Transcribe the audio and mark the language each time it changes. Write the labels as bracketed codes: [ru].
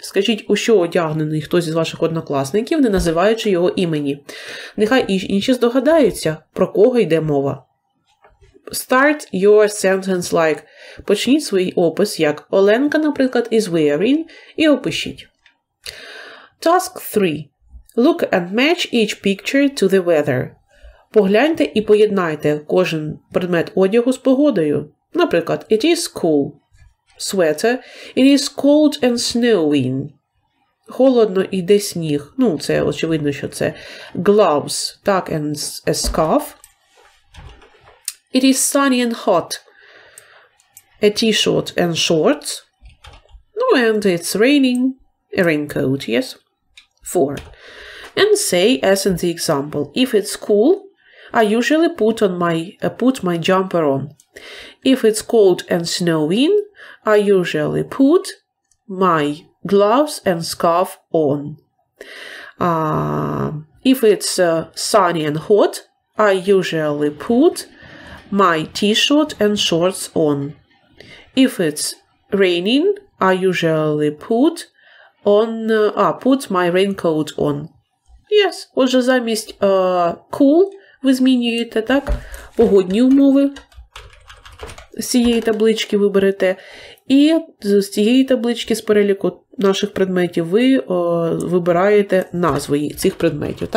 [uk] Скажіть, у що одягнений хтось із ваших однокласників, не називаючи його імені. Нехай інші здогадаються, про кого йде мова. [en] Start your sentence like. [uk] Почніть свій опис, як Оленка, наприклад, [en] is wearing, [uk] і опишіть. [en] Task 3. Look and match each picture to the weather. [uk] Погляньте і поєднайте кожен предмет одягу з погодою. Наприклад, [en] it is cool. sweater. It is cold and snowing. [uk] Холодно іде сніг. Ну, це очевидно, що це gloves. Так, [en] and a scarf. It is sunny and hot. A t-shirt and shorts. No, and it's raining. A raincoat, yes. 4. And say, as in the example, if it's cool, I usually put my jumper on. If it's cold and snowing, I usually put my gloves and scarf on. If it's sunny and hot, I usually put my t-shirt and shorts on. If it's raining, I usually put my raincoat on. [uk] Yes, отже, замість cool ви змінюєте, так? Погодні умови з цієї таблички виберете. І з цієї таблички, з переліку наших предметів, ви вибираєте назви цих предметів.